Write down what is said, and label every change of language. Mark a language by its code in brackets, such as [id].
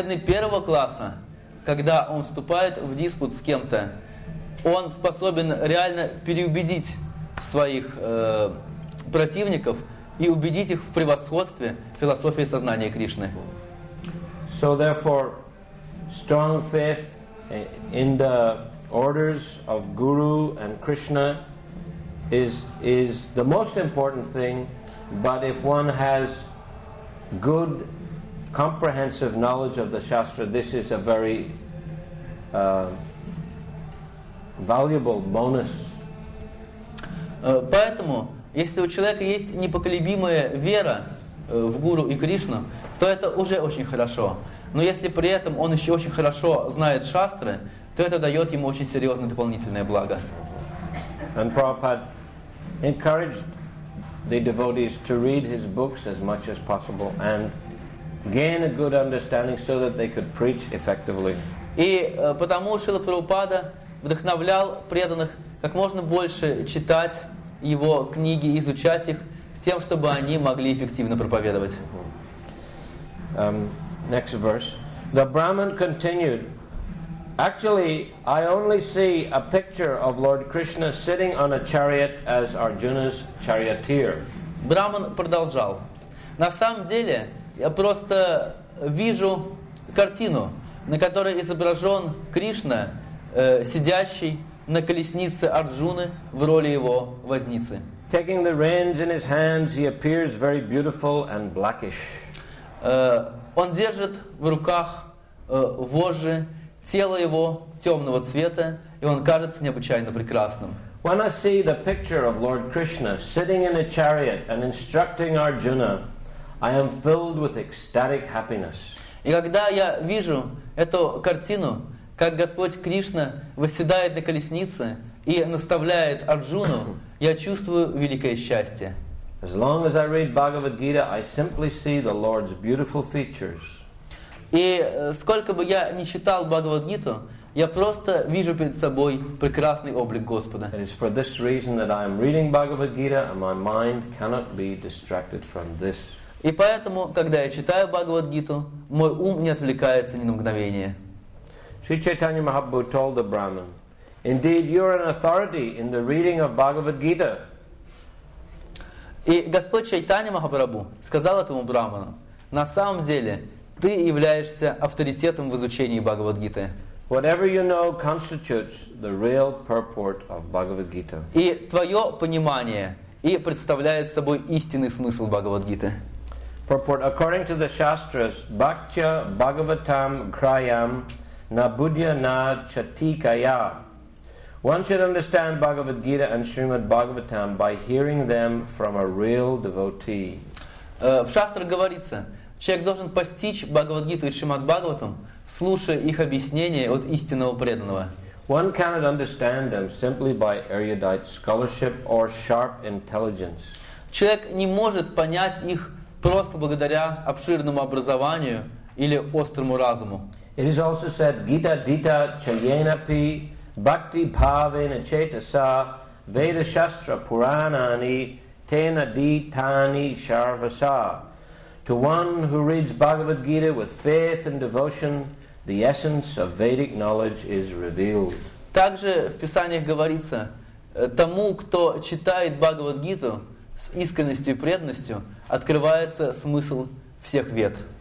[ru] Преданный первого класса, когда он вступает в диспут с кем-то, он способен реально переубедить своих противников и убедить их в превосходстве философии сознания Кришны. [en] So therefore, strong faith in the orders of Guru and Krishna is the most important thing, but if one has good comprehensive knowledge of the Shastra, this is a very valuable bonus. [ru] Поэтому если у человека есть непоколебимая вера в Гуру и Кришну, то это уже очень хорошо. Но если при этом он еще очень хорошо знает шастры, то это дает ему очень серьезное дополнительное благо. [en] And Prabhupada encouraged the devotees to read his books as much as possible and gain a good understanding so that they could preach effectively. [ru] И потому Шрила Прабхупада вдохновлял преданных как можно больше читать его книги, изучать их, с тем, чтобы они могли эффективно проповедовать. [en] Next verse. The Brahman continued, actually, I only see a picture of Lord Krishna sitting on a chariot as Arjuna's charioteer. [ru] Брахман продолжал. На самом деле, я просто вижу картину, на которой изображен Кришна, сидящий на колеснице Арджуны в роли его возницы. [en] Taking the reins in his hands, he appears very beautiful and blackish. [ru] Он держит в руках вожжи, тело его темного цвета, и он кажется необычайно прекрасным. [en] When I see the picture of Lord Krishna sitting in a chariot and instructing Arjuna, I am filled with ecstatic happiness. [ru] И когда я вижу эту картину, как Господь Кришна восседает на колеснице и наставляет Арджуну, я чувствую великое счастье. [en] As long as I read Bhagavad Gita, I simply see the Lord's beautiful features. [ru] И сколько бы я ни читал Бхагавад Гиту, я просто вижу перед собой прекрасный облик Господа. [en] It is for this reason that I am reading Bhagavad Gita, and my mind cannot be distracted from this. [ru] И поэтому, когда я читаю Бхагавад Гиту, мой ум не отвлекается ни на мгновение. [en] Sri Chaitanya Mahaprabhu told the Brahman, indeed, you are an authority in the reading of Bhagavad Gita. [ru] И Господь Чайтанья Махапрабху сказал этому Брахману, на самом деле, ты являешься авторитетом в изучении Бхагавад Гиты. [en] Whatever you know constitutes the real purport of Bhagavad Gita. [ru] И твое понимание и представляет собой истинный смысл Бхагавад Гиты. [en] Purport. According to the Shastras, [sa] Bhakcha Bhagavatam Krayam Nabudya na chatikaya. [en] One should understand Bhagavad Gita and Srimad Bhagavatam by hearing them from a real devotee. [ru] В шастрах говорится, человек должен постичь Бхагавад Гиту и Шримад Бхагаватам, слушая их объяснения от истинного преданного. [en] One cannot understand them simply by erudite scholarship or sharp intelligence. [ru] Человек не может понять их просто благодаря обширному образованию или острому разуму. [en] It is also said, [sa] Gita Dita Chayenapi Bhakti Bhavena Chetasa Veda Shastra Puranani Tena Ditani Sharvasa. [en] To one who reads Bhagavad Gita with faith and devotion, the essence of Vedic knowledge is revealed. [ru] Также в Писаниях говорится, тому, кто читает Бхагавад Гиту с искренностью и преданностью, открывается смысл всех вед.